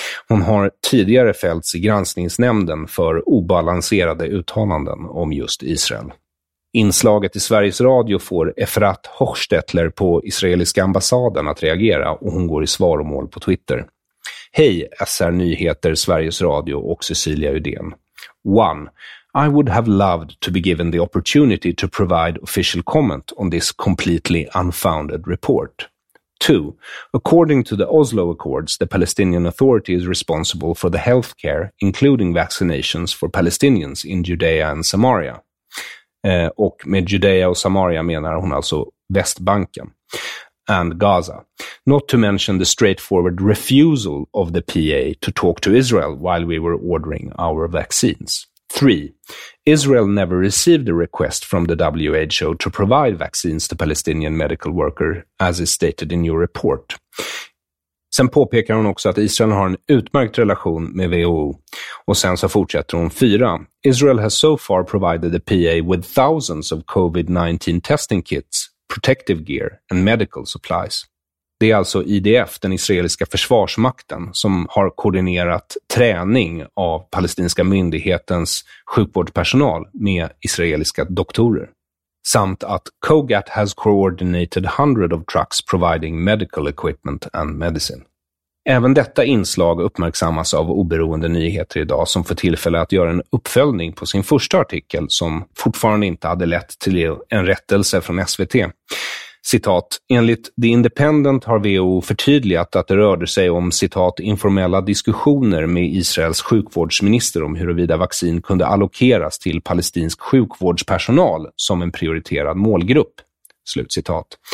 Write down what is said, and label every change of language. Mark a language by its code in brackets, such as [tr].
[sv] Hon har tidigare fällts i granskningsnämnden för obalanserade uttalanden om just Israel. Inslaget i Sveriges Radio får Efrat Hochstetler på israeliska ambassaden att reagera, och hon går i svaromål på Twitter. Hej SR Nyheter, Sveriges Radio och Cecilia Udén. [en] 1. I would have loved to be given the opportunity to provide official comment on this completely unfounded report. 2. According to the Oslo Accords, the Palestinian Authority is responsible for the health care, including vaccinations for Palestinians in Judea and Samaria. [sv] Och med Judea och Samaria menar hon alltså Västbanken and Gaza. [en] Not to mention the straightforward refusal of the PA to talk to Israel while we were ordering our vaccines. 3. Israel never received a request from the WHO to provide vaccines to Palestinian medical worker, as is stated in your report. [sv] Sen påpekar hon också att Israel har en utmärkt relation med WHO. Och sen så fortsätter hon 4. [en] Israel has so far provided the PA with thousands of COVID-19 testing kits, protective gear and medical supplies. [sv] Det är alltså IDF, den israeliska försvarsmakten, som har koordinerat träning av palestinska myndighetens sjukvårdspersonal med israeliska doktorer. Samt att [en] COGAT has coordinated hundreds of trucks providing medical equipment and medicine. [sv] Även detta inslag uppmärksammas av Oberoende Nyheter idag, som får tillfälle att göra en uppföljning på sin första artikel som fortfarande inte hade lett till en rättelse från SVT. Citat, enligt The Independent har WHO förtydligat att det rörde sig om, citat, informella diskussioner med Israels sjukvårdsminister om huruvida vaccin kunde allokeras till palestinsk sjukvårdspersonal som en prioriterad målgrupp. Slutcitat.